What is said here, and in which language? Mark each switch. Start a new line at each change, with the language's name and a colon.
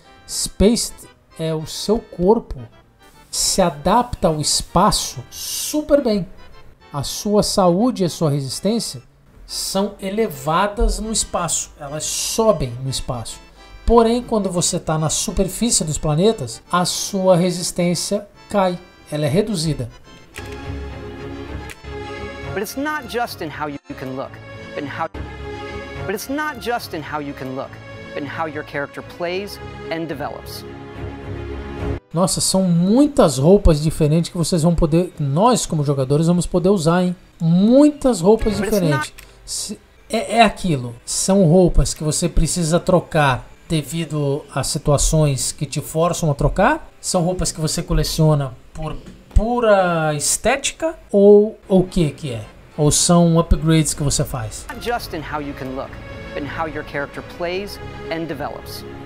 Portuguese: Space é o seu corpo se adapta ao espaço super bem. A sua saúde e a sua resistência são elevadas no espaço, elas sobem no espaço. Porém, quando você está na superfície dos planetas, a sua resistência cai, ela é reduzida.
English: But it's not just in how you can look, but in how your character plays and develops.
Portuguese: Nossa, são muitas roupas diferentes que vocês vão poder, nós como jogadores vamos poder usar, hein? Muitas roupas diferentes. É aquilo. São roupas que você precisa trocar devido a situações que te forçam a trocar? São roupas que você coleciona por pura estética? Ou o que que é? Ou são upgrades que você faz?
English: Not just in how you can look, but in how your character plays and develops.